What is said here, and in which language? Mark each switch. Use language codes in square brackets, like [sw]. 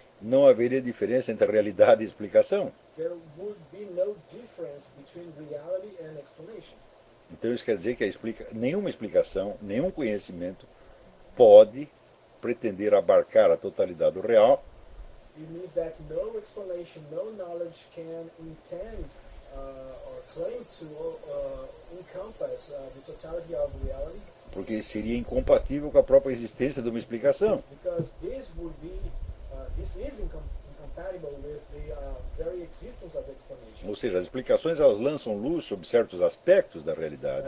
[pt] não haveria diferença entre a realidade e a explicação. [en] There would be no difference between reality and explanation. [pt] Então isso quer dizer que nenhuma explicação, nenhum conhecimento pode pretender abarcar a totalidade do real. [en] It means that no explanation, no knowledge can intend or claim to encompass the totality of reality. [pt] Porque seria incompatível com a própria existência de uma explicação. [en] Because this would be this is incompatible with the very existence of explanation. [pt] Ou seja, as explicações elas lançam luz sobre certos aspectos da realidade.